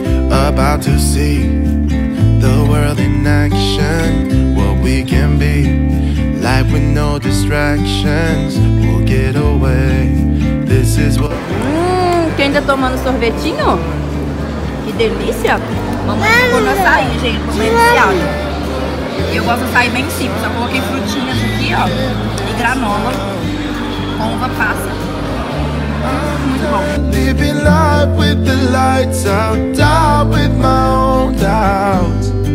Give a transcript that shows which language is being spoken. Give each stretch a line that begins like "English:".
English: About to see the world in action. What we can be, life with no distractions. We'll get away. This is what.
Portuguese: Quem tá tomando sorvetinho? Que delícia! Mamãe ficou no açaí, gente, comercial. E eu gosto de açaí bem simples. Eu coloquei frutinhas aqui, ó. E granola. Com uma passa.
English: Living life with the lights out, down with my own doubts.